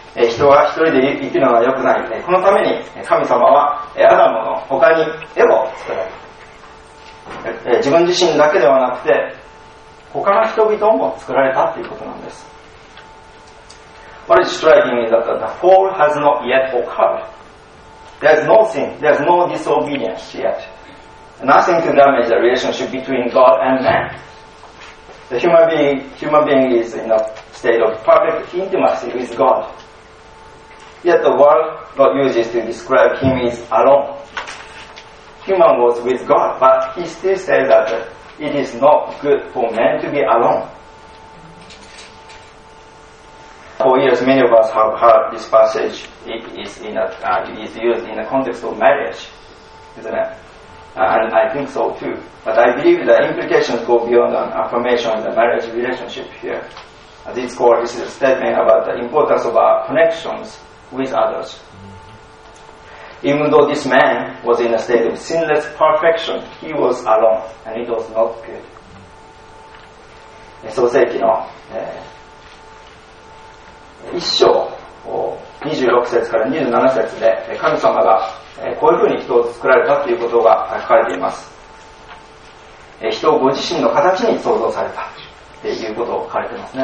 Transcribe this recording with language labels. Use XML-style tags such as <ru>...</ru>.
<ja>人が一人で生きるのは良くない、このために神様はアダムの他にエボを作られた、自分自身だけではなくて他の人々も作られたということなんです。</ja> <en>What is striking is that the fall has not yet occurredThere is no sin, there is no disobedience yet. Nothing to damage the relationship between God and man. The human being is in a state of perfect intimacy with God. Yet the word God uses to describe him is alone. Human was with God, but he still says that it is not good for man to be alone. For years, many of us have heard this passage. It is used in the context of marriage, isn't it? And I think so too. But I believe the implications go beyond an affirmation of the marriage relationship here. This is a statement about the importance of our connections with others. Even though this man was in a state of sinless perfection, he was alone, and it was not good. So say, you know.</en> <ja>1章26節から27節で神様がこういうふうに人を作られたということが書かれています。人をご自身の形に創造されたということを書かれていますね。</ja>